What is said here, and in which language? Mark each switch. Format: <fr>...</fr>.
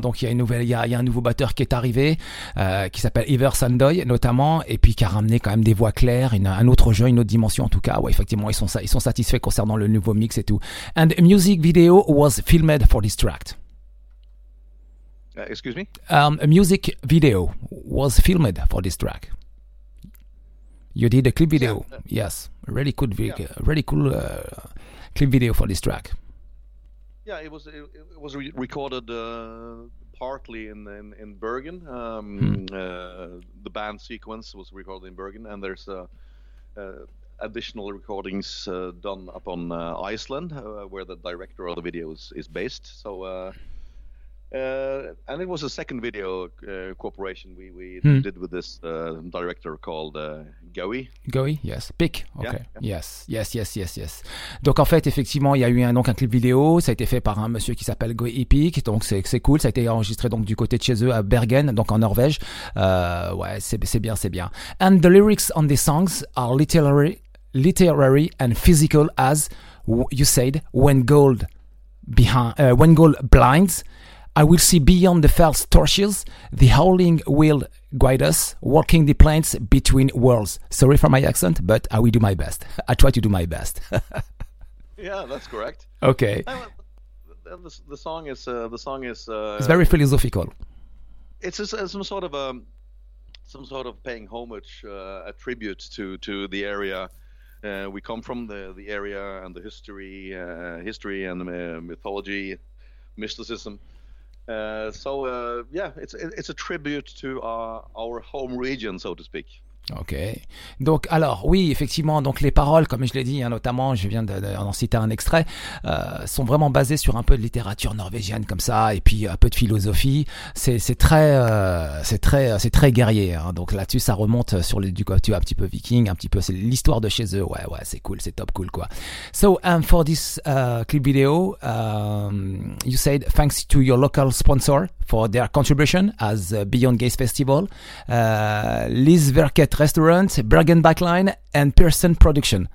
<fr>Donc il y a un nouveau batteur qui est arrivé qui s'appelle Iver Sandoy notamment, et puis qui a ramené quand même des voix claires, un autre jeu, une autre dimension en tout cas. Ouais, effectivement, ils sont satisfaits concernant le nouveau mix et tout.</fr> <en>And a music video was filmed for this track. Excuse me? A music video was filmed for this track. You did a clip video. Yeah. Yes. Really good video. Yeah. Really cool clip video for this track. Yeah, it was recorded partly in Bergen. The band sequence was recorded in Bergen, and there's additional recordings done up on Iceland, where the director of the video is based. So And it was a second video cooperation we did with this director called Goey, yes, Pick, okay, yeah. yes.</en> <fr>Donc en fait, effectivement, il y a eu un clip vidéo, ça a été fait par un monsieur qui s'appelle Goey Pick, donc c'est cool, ça a été enregistré donc du côté de chez eux à Bergen, donc en Norvège, ouais, c'est bien.</fr> <en>And the lyrics on the songs are literary and physical, as you said, when gold blinds, I will see beyond the false torches, the howling will guide us, walking the plains between worlds. Sorry for my accent, but I will do my best. I try to do my best. Yeah, that's correct. Okay. The song is it's very philosophical. It's some sort of paying homage, a tribute to the area. We come from the area and the history and the mythology, mysticism. It's a tribute to our home region, so to speak. Ok.</en> <fr>Donc, alors, oui, effectivement, donc les paroles, comme je l'ai dit, hein, notamment, je viens d'en citer un extrait, sont vraiment basées sur un peu de littérature norvégienne comme ça, et puis un peu de philosophie. C'est très guerrier. Hein. Donc là-dessus, ça remonte sur du côté un petit peu viking, un petit peu c'est l'histoire de chez eux. Ouais, c'est cool, c'est top cool quoi.</fr> <en>So, for this clip video, you said thanks to your local sponsor for their contribution as Beyond Gaze Festival, Lisverk Restaurant, Bergen Backline, and Pearson Production.</en>